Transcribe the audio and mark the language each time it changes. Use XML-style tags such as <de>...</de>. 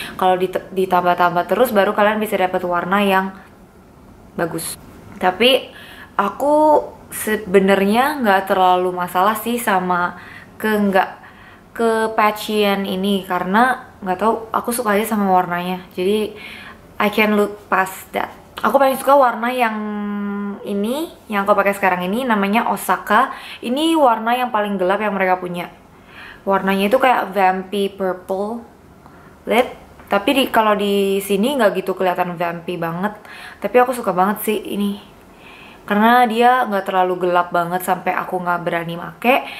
<id>Kalau ditambah-tambah terus baru kalian bisa dapat warna yang bagus. Tapi aku sebenarnya nggak terlalu masalah sih sama ke patchy-an ini, karena nggak tahu, aku suka aja sama warnanya. Jadi</id> <en>I can look past that.</en> <id>Aku paling suka warna yang ini, yang aku pakai sekarang ini, namanya Osaka. Ini warna yang paling gelap yang mereka punya. Warnanya itu kayak vampy purple lip, tapi kalau di sini nggak gitu kelihatan vampy banget. Tapi aku suka banget sih ini, karena dia nggak terlalu gelap banget sampai aku nggak berani make.</id>